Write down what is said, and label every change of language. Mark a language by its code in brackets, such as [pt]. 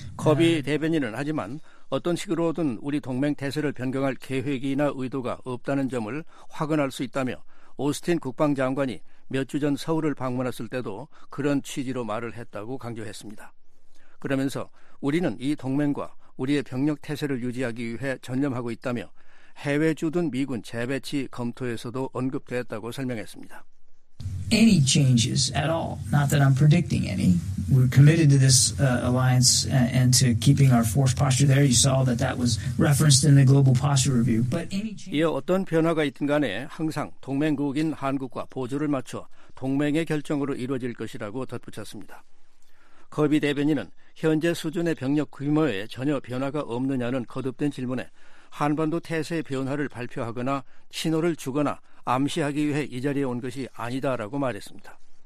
[ko] 커비 대변인은 하지만 어떤 식으로든 우리 동맹 태세를 변경할 계획이나 의도가 없다는 점을 확언할 수 있다며 오스틴 국방장관이 몇 주 전 서울을 방문했을 때도 그런 취지로 말을 했다고 강조했습니다. 그러면서 우리는 이 동맹과 우리의 병력 태세를 유지하기 위해 전념하고 있다며 해외 주둔 미군 재배치 검토에서도 언급되었다고 설명했습니다. [en] Any changes at all? Not that I'm predicting any. We're committed to this alliance and to keeping our force posture there. You saw that that was referenced in the global posture review. But any changes? [ko] 이어 어떤 변화가 있든 간에 항상 동맹국인 한국과 보조를 맞춰 동맹의 결정으로 이루어질 것이라고 덧붙였습니다. 커비 대변인은 현재 수준의 병력 규모에 전혀 변화가 없느냐는 거듭된 질문에 한반도 태세의 변화를 발표하거나 신호를 주거나 암시하기 위해 이 자리에 온 것이 아니다라고 말했습니다.